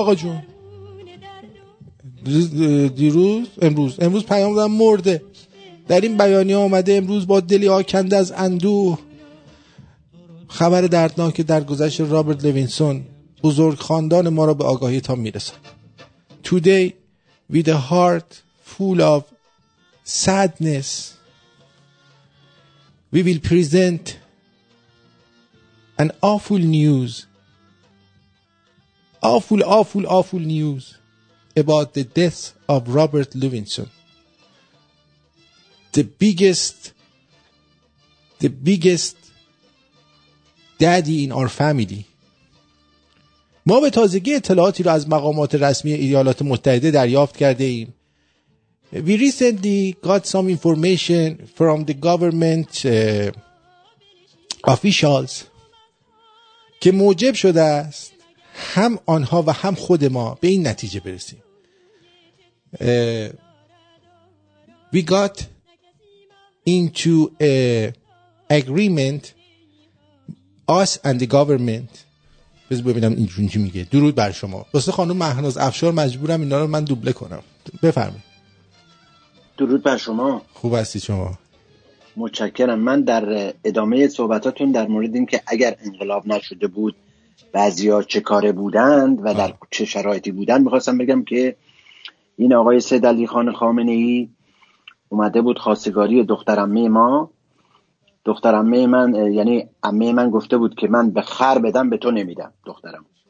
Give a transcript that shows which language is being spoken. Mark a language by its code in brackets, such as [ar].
[fa] آقا جون دیروز امروز پیام دادن مرده. در این بیانیه آمده امروز با دلی آکنده از اندوه خبر دردناک درگذشت رابرت لوینسون، بزرگ خاندان ما را به آگاهیتان میرسد. [en] Today with a heart full of sadness we will present an awful news, awful awful awful news about the death of Robert Lewinson, the biggest daddy in our family. [fa] ما به تازگی اطلاعاتی را از مقامات رسمی ایالات متحده دریافت کرده ایم. [en] We recently got some information from the government officials [fa] که موجب شده است هم آنها و هم خود ما به این نتیجه برسیم. [en] We got into agreement us and the government. [fa] بذار ببینم اینجون چی میگه. درود بر شما. واسه خانم مهناز افشار مجبورم اینا رو من دوبله کنم. بفرمایید. درود بر شما. خوب هستی شما؟ متشکرم. من در ادامه صحبتاتون در مورد این که اگر انقلاب نشده بود بعضیا چه کاره بودند و در چه شرایطی بودند، می‌خواستم بگم که این آقای سید علی خان خامنه‌ای اومده بود خواستگاری دخترعمه ما، دخترعمه من، یعنی عمه من گفته بود که من به خر بدم به تو نمیدم دخترم.